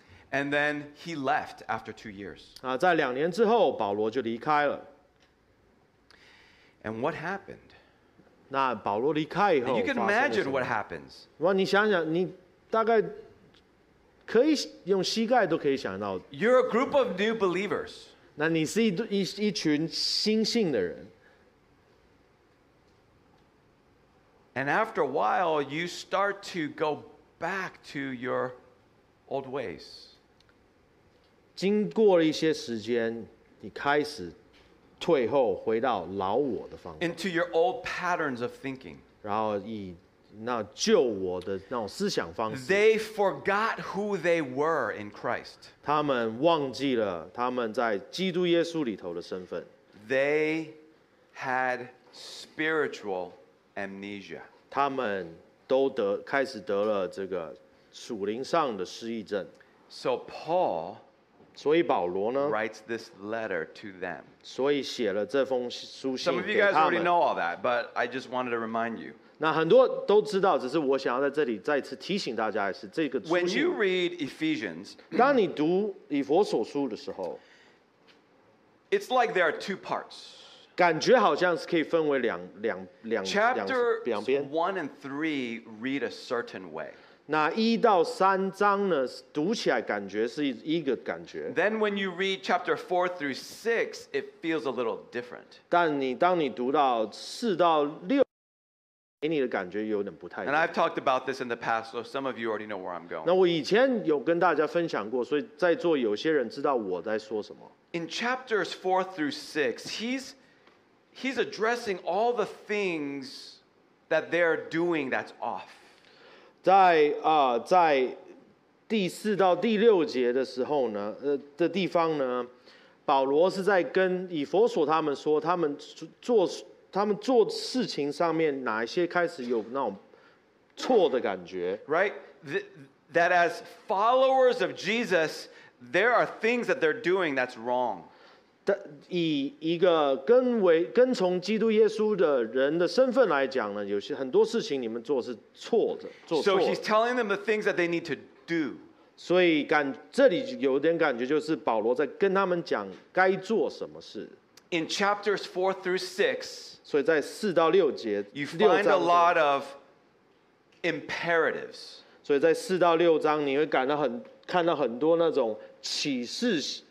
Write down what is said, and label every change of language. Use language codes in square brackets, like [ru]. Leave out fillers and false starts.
[en] And then he left after 2 years. [zh] 在两年之后，保罗就离开了。 [en] And what happened? [zh] 那保罗离开以后， [en] you can imagine what happens. [zh] 你想想，你大概可以用膝盖都可以想到。 [en] You're a group of new believers. [zh] 那你是一群新信的人。 [en] And after a while, you start to go back to your old ways. [zh] 经过了一些时间，你开始。退后回到老我的方法 [en] into your old patterns of thinking. [zh] 然后以那旧我的那种思想方式 [en] They forgot who they were in Christ. [zh] 他们忘记了他们在基督耶稣里头的身份 [en] They had spiritual amnesia. [zh] 他们都开始得了这个属灵上的失忆症 [en] So Paul. [zh] 所以保罗呢 [en] writes this letter to them. [zh] 所以写了这封书信给他们。 [en] Some of you guys already know all that, but I just wanted to remind you. [zh] 那很多都知道，只是我想要在这里再次提醒大家的是，这个书信。 [en] When you read Ephesians, [zh] 当你读以弗所书的时候 [en] ，It's like there are two parts. [zh] 感觉好像是可以分为两 [en] chapter [zh] 两边。 [en] One and three read a certain way. [zh] 那一到三章呢，读起来感觉是一个感觉。 [en] Then when you read chapter 4 through 6, it feels a little different. [zh] 但你当你读到四到六，给你的感觉有点不太一样。 [en] And I've talked about this in the past, so some of you already know where I'm going. [zh] 那我以前有跟大家分享过，所以在座有些人知道我在说什么。 [en] In chapters 4 through 6, he's addressing all the things that they're doing that's off. [zh] 在第四到第六节的时候呢，的地方呢，保罗是在跟以弗所他们说，他们做事情上面哪一些开始有那种错的感觉 [en] ，right? That as followers of Jesus, there are things that they're doing that's wrong. [zh] 以一个跟从基督耶稣的人的身份来讲呢，有些很多事情你们做是错的，做错。 [en] So he's telling them the things that they need to do. [zh] 所以这里有点感觉就是保罗在跟他们讲该做什么事。 [en] In chapters 4 through 6, [zh] 所以在四到六节 [en] ，you find a lot of imperatives. [zh] 所以在四到六章，你会看到很多那种启示。